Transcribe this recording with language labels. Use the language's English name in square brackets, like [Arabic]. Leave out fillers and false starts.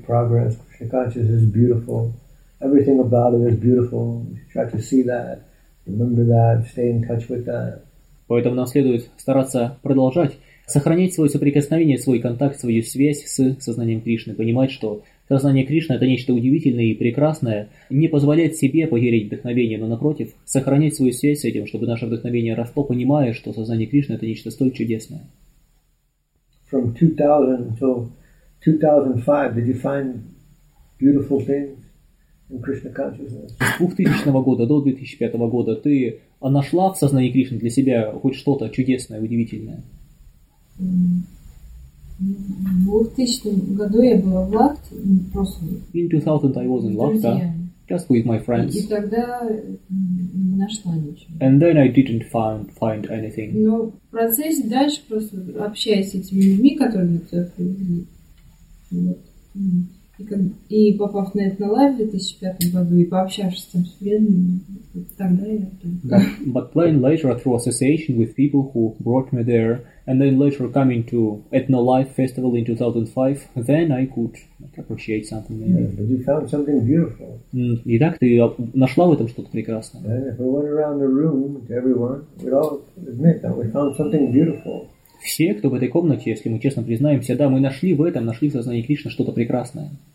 [English] Everything about it is beautiful. Try to see that, remember that, stay in touch with that. [Russian] Поэтому нам следует стараться продолжать сохранять свое соприкосновение, свой контакт, свою связь с сознанием Кришны, понимать, что сознание Кришны — это нечто удивительное и прекрасное, не позволять себе потерять вдохновение, но напротив, сохранять свою связь с этим, чтобы наше вдохновение росло, понимая, что сознание Кришны — это нечто столь чудесное. [English] From 2000 to 2005, did you find beautiful things? [Russian] С 2000 года до 2005 года ты нашла в сознании Кришны для себя хоть что-то чудесное, удивительное? В 2000 году я была в Лахте, просто... [English] In 2000 I was in Lahti, just with my friends. [Russian] И тогда не нашла ничего. [English] And then I didn't find anything. [Russian] Но в процессе дальше, просто общаясь с этими людьми, которые мне туда привели, вот... И попав на это лайв в 2005 году и пообщавшись там с преданными, тогда я там. [English] But then later through association with people who brought me there, and then later coming to Etno Life Festival in 2005, then I could appreciate something. Yeah, but you found something beautiful. [Russian] И так ты нашла в этом что-то прекрасное. [English] If we went around the room to everyone, we'd all admit that we found something beautiful. [Russian] Все, кто в этой комнате, если мы честно признаемся, да, мы нашли в этом, нашли в сознании Кришны что-то прекрасное.